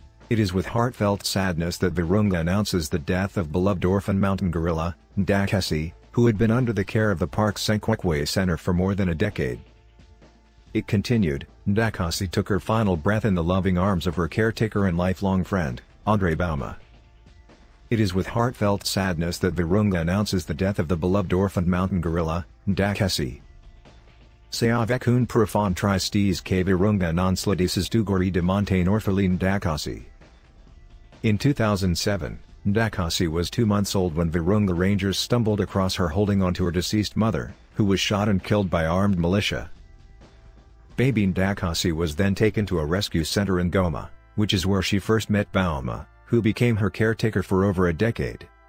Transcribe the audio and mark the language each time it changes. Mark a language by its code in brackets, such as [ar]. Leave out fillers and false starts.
[en] It is with heartfelt sadness that Virunga announces the death of beloved orphan mountain gorilla, Ndakasi, who had been under the care of the park's Senkwekwe Center for more than a decade. It continued, Ndakasi took her final breath in the loving arms of her caretaker and lifelong friend, Andre Bauma. It is with heartfelt sadness that Virunga announces the death of the beloved orphaned mountain gorilla, Ndakasi. [fr] C'est avec une profonde tristese que Virunga annonce le décès du gorille de montagne orpheliné Ndakasi. [en] In 2007, Ndakasi was 2 months old when Virunga rangers stumbled across her holding onto her deceased mother, who was shot and killed by armed militia. Baby Ndakasi was then taken to a rescue center in Goma, which is where she first met Bauma, who became her caretaker for over a decade.